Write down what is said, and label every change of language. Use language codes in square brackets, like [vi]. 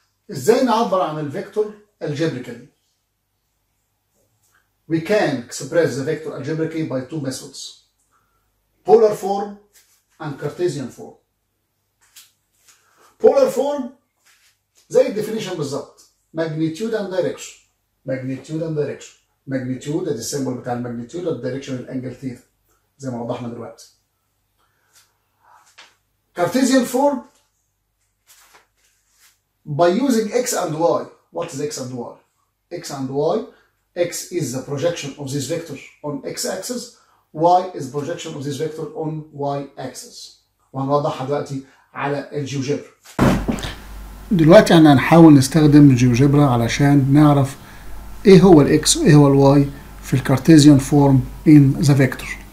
[ar] ازاي نعبر عن الفيكتور [en] algebraically؟ We can express the vector algebraically by two methods. Polar form and Cartesian form. Polar form زي definition بالظبط. Magnitude and direction. Magnitude and direction. Magnitude is the symbol بتاع magnitude and direction and angle theta. [ar] زي ما وضحنا دلوقتي. كارتيزيان فورم [en] by using x and y. What is x and y? X and y, x is the projection of this vector on x-axis, y is the projection of this vector on y-axis. [ar] وهنوضحها دلوقتي على الجيوجبرا. دلوقتي احنا هنحاول نستخدم الجيوجبرا علشان نعرف ايه هو الـ x وايه هو الـ y في الكارتيزيان فورم [en] in the vector.